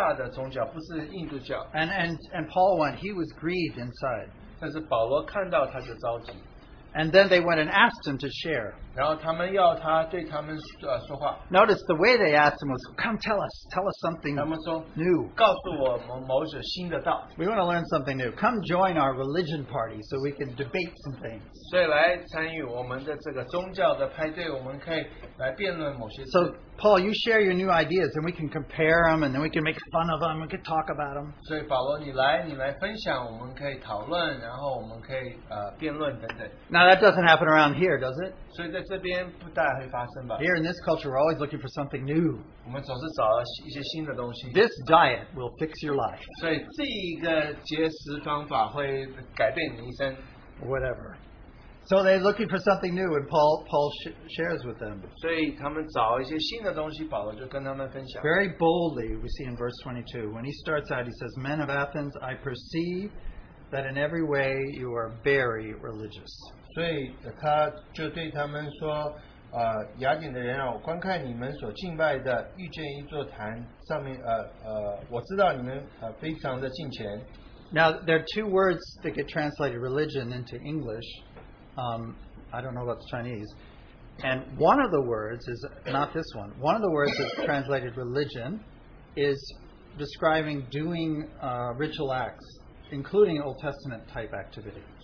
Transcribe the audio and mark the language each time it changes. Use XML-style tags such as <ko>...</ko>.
<zh>是希腊的宗教，不是印度教。</zh> <en>And Paul went, he was grieved inside.</en> <zh>但是保罗看到他就着急。</zh> <en>And then they went and asked him to share.</en> <zh>然后他们要他对他们说话。</zh> <en>Notice the way they asked him was, come tell us something</en> <zh>他们说,</zh> <en>new.</en> <zh>告诉我某些新的道。</zh> <en>We want to learn something new. Come join our religion party so we can debate some things.</en> <zh>所以来参与我们的这个宗教的派对，我们可以来辩论某些。</zh> <en>So Paul, you share your new ideas and we can compare them and then we can make fun of them, we can talk about them.</en> <zh>所以保罗你来分享，我们可以讨论，然后我们可以辩论等等。</zh> <en>Now that doesn't happen around here, does it?</en> <zh>所以在这边不大会发生吧?</zh> <en>Here in this culture, we're always looking for something new.</en> <zh>我们总是找一些新的东西。</zh> <en>This diet will fix your life.</en> <zh>所以这一个节食方法会改变你一生。</zh> <en>Whatever. So they're looking for something new, and Paul shares with them.</en> <zh>所以他们找一些新的东西，保罗就跟他们分享。</zh> <en>Very boldly, we see in verse 22, when he starts out, he says, "Men of Athens, I perceive that in every way you are very religious."</en> <zh>所以他就对他们说，雅典的人啊，我观看你们所敬拜的，遇见一座坛上面，我知道你们非常的敬虔。</zh> <en>Now there are two words that get translated religion into English. I don't know about the Chinese. And one of the words is not this one. One of the words that's translated religion is describing doing ritual acts, including Old Testament type activity.</en>